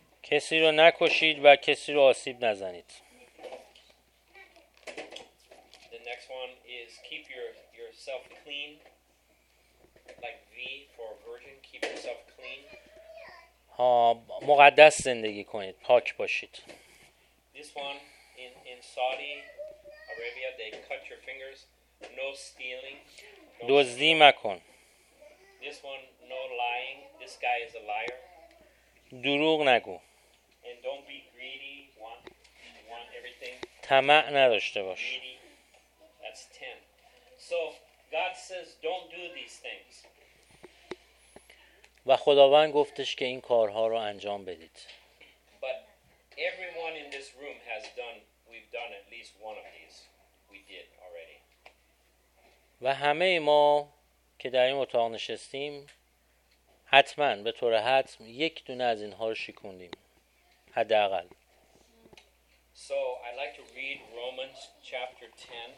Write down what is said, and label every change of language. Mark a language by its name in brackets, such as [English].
[Persian] کسی رو نکشید و کسی رو آسیب نزنید. [English] The next one is keep yourself clean. Like V for virgin, keep yourself clean. [Persian] مقدس زندگی کنید، پاک باشید. [English] This one in Saudi Arabia they cut your fingers, no stealing. [Persian] دزدی مکن. [English] This one no lying, this guy is a liar. [Persian] دروغ نگو. [English] And don't be greedy, want everything. [Persian] طمع نداشته باش. [English] That's 10. So God says don't do these things. [Persian] و خداوند گفتش که این کارها رو انجام بدید. [English] But everyone in this room has done, we've done at least one of these. We did already. [Persian] و همه ما که در این اتاق نشستیم حتما به طور حتم یک دونه از اینها رو شکوندیم. حداقل. [English] So I'd like to read Romans chapter 10.